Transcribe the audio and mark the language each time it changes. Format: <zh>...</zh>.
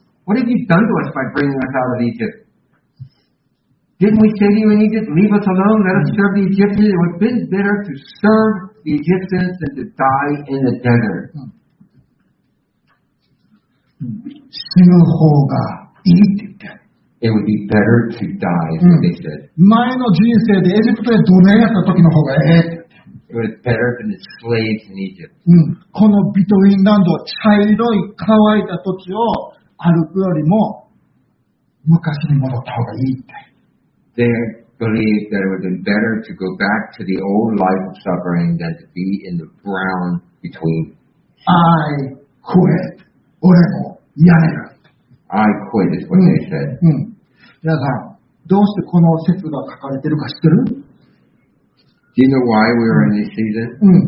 <en>What have you done to us by bringing us out of Egypt? Didn't we say to you in Egypt, 'Leave us alone, let us serve the Egyptians'? It would have been better to serve the Egyptians than to die in the desert."</en> <ja>死ぬ方がいいって言って。</ja> <en>It would be better to die, is what they said.</en> <ja>前の人生でエジプトで奴隷やった時の方がええって。</ja> <en>It would be better than the slaves in Egypt.</en> <ja>このビトウィンランド、茶色い乾いた土地を歩くよりも昔に戻った方がいいって。</ja> <en>They believed that it would be better to go back to the old life of suffering than to be in the brown between. I quit.</en> <ja>俺もやめる。</ja> <en>I quit is what they said.</en> <ja>皆さん、どうしてこの説が書かれてるか知ってる？</ja> <en>Do you know why we are in this season?</en>